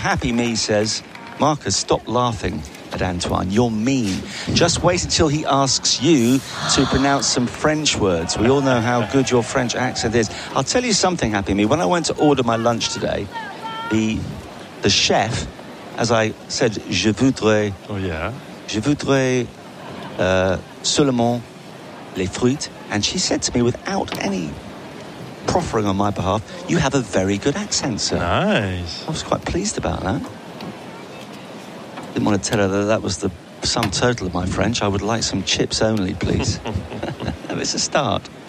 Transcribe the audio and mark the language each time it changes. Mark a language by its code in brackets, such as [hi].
[en] Happy Me says, Marcus, stop laughing at Antoine. You're mean. Just wait until he asks you to pronounce some French words. We all know how good your French accent is. I'll tell you something, Happy Me. When I went to order my lunch today, the chef, as I said, [fr] je voudrais... [en] Oh, yeah. [fr] Je voudrais seulement les fruits. [en] And she said to me, without any proffering on my behalf, you have a very good accent, sir. Nice. I was quite pleased about that. Didn't want to tell her that that was the sum total of my French. I would like some chips only, please. It's a start.